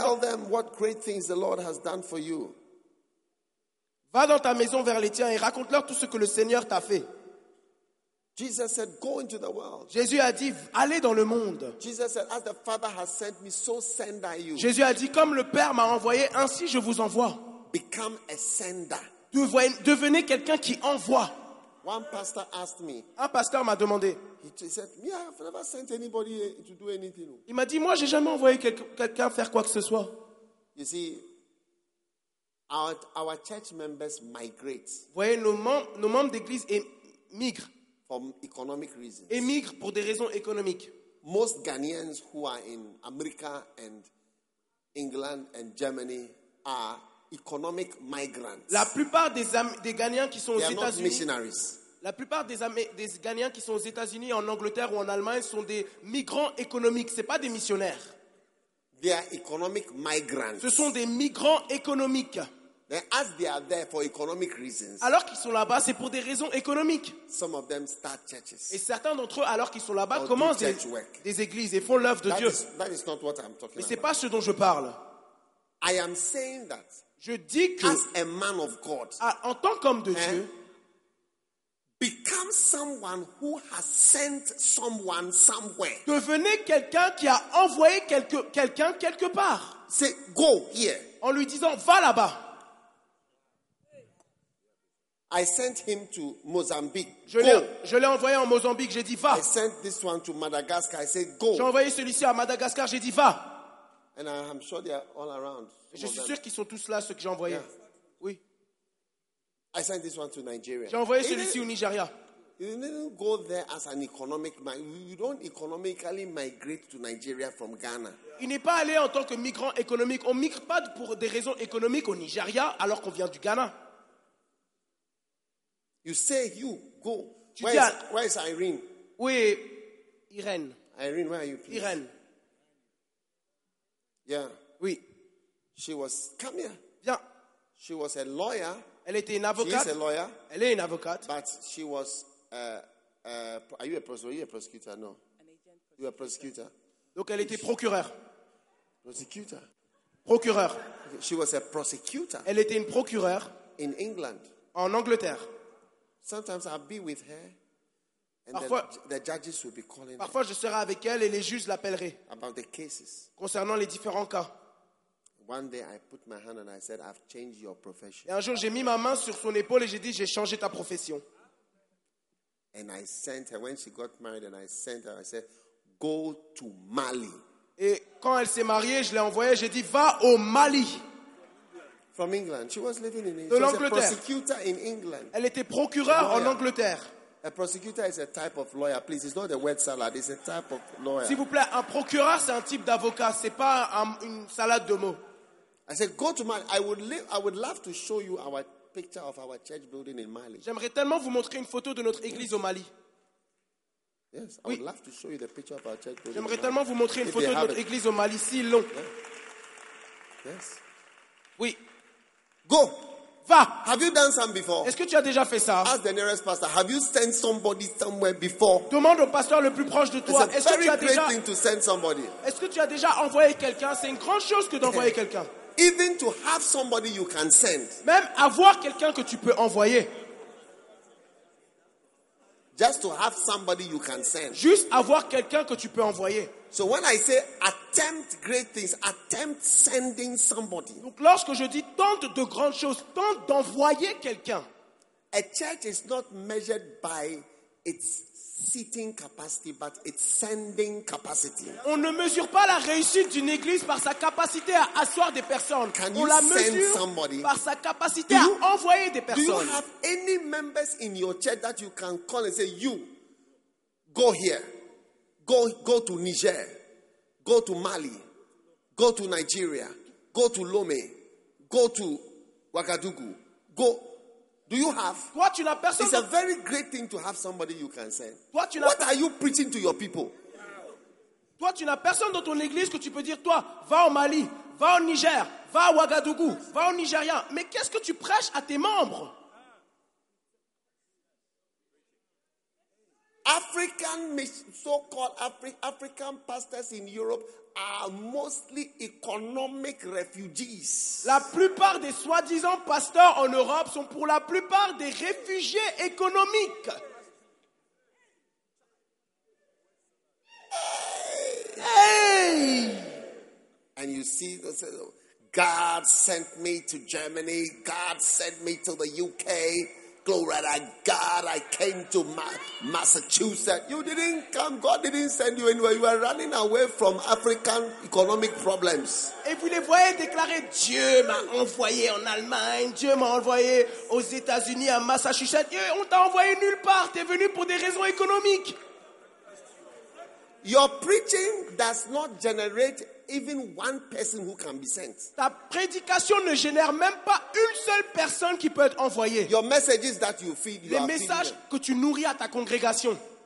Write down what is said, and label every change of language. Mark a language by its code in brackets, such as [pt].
[en] Tell them what great things the Lord has done for you. [fr] Va dans ta maison vers les tiens et raconte-leur tout ce que le Seigneur t'a fait. [en] Jesus said, "Go into the world." [fr] Jésus a dit, allez dans le monde. [en] Jesus said, "As the Father has sent me, so send I you." [fr] Jésus a dit, comme le Père m'a envoyé, ainsi je vous envoie. [en] Become a sender. [fr] Devenez quelqu'un qui envoie. [en] One pastor asked me. [fr] Un pasteur m'a demandé. [en] He said, "Me, I've never sent anybody to do anything." [fr] Il m'a dit, moi, j'ai jamais envoyé quelqu'un faire quoi que ce soit. [en] You see, our church members migrate. [fr] Vous voyez, nos membres d'église migrent. [en] For economic reasons. [fr] Émigrent pour des raisons économiques. [en] Most Ghanaians who are in America and England and Germany are economic migrants. [fr] La plupart des Ghanaians qui sont aux États-Unis. [en] They are not missionaries. [fr] La plupart des Ghanaians qui sont aux États-Unis, en Angleterre ou en Allemagne sont des migrants économiques. C'est pas des missionnaires. [en] They are economic migrants. [fr] Ce sont des migrants économiques. [en] Then, as they are there for economic reasons. [fr] Alors qu'ils sont là-bas, c'est pour des raisons économiques. [en] Some of them start churches. [fr] Et certains d'entre eux, alors qu'ils sont là-bas, commencent des églises et font l'œuvre de Dieu. [en] That is not what I'm talking [fr] about. Mais c'est pas ce dont je parle. [en] I am saying that. [fr] Je dis que, [en] as a man of God, [fr] en tant qu'homme de Dieu, [en] become someone who has sent someone somewhere. [fr] Devenez quelqu'un qui a envoyé quelqu'un quelque part. [en] Say, go here. [fr] En lui disant, va là-bas. [en] I sent him to Mozambique. [fr] Je l'ai envoyé en Mozambique. J'ai dit, va. [en] I sent this one to Madagascar. I said, go. [fr] J'ai envoyé celui-ci à Madagascar. J'ai dit, va. [en] And I'm sure they are all around. [fr] Je suis sûr qu'ils sont tous là, ceux que j'ai envoyés. Yeah. Oui. [en] I sent this one to Nigeria. [fr] J'ai envoyé celui-ci au Nigeria. [en] You didn't go there as an economic man. You don't economically migrate to Nigeria from Ghana. [fr] Il n'est pas allé en tant que migrant économique. On ne migre pas pour des raisons économiques au Nigeria alors qu'on vient du Ghana. [en] You say you go. [fr] Tu [en] where is Irene? [fr] Oui, Irene. [en] Irene, where are you, please? Irene. Yeah. [fr] Oui. [en] She was, come here. [fr] Bien. [en] She was a lawyer. [fr] Elle était une avocate. [en] She is a lawyer. [fr] Elle est une avocate. [en] But she was, are you a prosecutor? Are you a prosecutor? No. You are a prosecutor. [fr] Donc elle était procureur. [en] Prosecutor. [fr] Procureur. [en] She was a prosecutor. [fr] Elle était une procureure. [en] In England. [fr] En Angleterre. [en] Sometimes I'll be with her, and [fr] parfois, [en] the judges will be calling. [fr] Parfois, je serai avec elle et les juges l'appelleraient. [en] About the cases. [fr] Concernant les différents cas. [en] One day I put my hand and I said, "I've changed your profession." [fr] Et un jour, j'ai mis ma main sur son épaule et j'ai dit, "J'ai changé ta profession." [en] And I sent her when she got married, and I sent her. I said, "Go to Mali." [fr] Et quand elle s'est mariée, je l'ai envoyée. J'ai dit, "Va au Mali." [en] From England, she was living in England. She was a prosecutor in England. [fr] Elle était procureur en Angleterre. [en] A prosecutor is a type of lawyer. Please, it's not a word salad. It's a type of lawyer. [fr] S'il vous plaît, un procureur c'est un type d'avocat. C'est pas une salade de mots. [en] I said, "Go to Mali. I would love to show you our picture of our church building in Mali." [fr] J'aimerais tellement vous montrer une photo de notre église au Mali. [en] Yes, I would love to show you the picture of our church building. [fr] J'aimerais tellement vous montrer une photo de notre église au Mali si long. [en] Yes. [fr] Oui. [en] Go. [fr] Va. [en] Have you done some before? [fr] Est-ce que tu as déjà fait ça? [en] Ask the nearest pastor. Have you sent somebody somewhere before? [fr] Demande au pasteur le plus proche de toi. [en] It's a [fr] est-ce [en] very [fr] que tu as [en] great [fr] déjà... [en] thing to send somebody. [fr] Est-ce que tu as déjà envoyé quelqu'un? C'est une grande chose que d'envoyer quelqu'un. [en] Even to have somebody you can send. [fr] Même avoir quelqu'un que tu peux envoyer. [en] Just to have somebody you can send. [fr] Juste avoir quelqu'un que tu peux envoyer. [en] So when I say attempt great things, attempt sending somebody. [fr] Donc lorsque je dis tente de grandes choses, tente d'envoyer quelqu'un. [en] A church is not measured by its seating capacity, but its sending capacity. [fr] On ne mesure pas la réussite d'une église par sa capacité à asseoir des personnes. [en] Can [fr] on [en] you [fr] la [en] send [fr] mesure [en] somebody? [fr] Par sa capacité [en] do [fr] à [en] you, [fr] envoyer des personnes. [en] Do you have any members in your church that you can call and say, "You, go here. Go to Niger, go to Mali, go to Nigeria, go to Lomé, go to Ouagadougou, go." Do you have? [fr] Toi, tu n'as personne. [en] It's a very great thing to have somebody you can send. [fr] Toi, tu [en] what are you preaching to your people? [fr] Toi, tu n'as personne dans ton église que tu peux dire, toi, va au Mali, va au Niger, va au Ouagadougou, va au Nigeria. Mais qu'est-ce que tu prêches à tes membres? [en] African, so-called African pastors in Europe are mostly economic refugees. [fr] La plupart des soi-disant pasteurs en Europe sont pour la plupart des réfugiés économiques. Hey! [en] And you see, God sent me to Germany, God sent me to the UK. Glory to God, I came to Massachusetts. You didn't come. God didn't send you anywhere. You are running away from African economic problems. [fr] Et vous les voyez déclarer, Dieu m'a envoyé en Allemagne, Dieu m'a envoyé aux États-Unis, à Massachusetts. Dieu, on t'a envoyé nulle part. T'es venu pour des raisons économiques. [en] Your preaching does not generate even one person who can be sent. [fr] Ta prédication ne génère même pas une seule personne qui peut être envoyée. [en] Your messages that you feed, [fr] les messages que tu nourris à ta congrégation.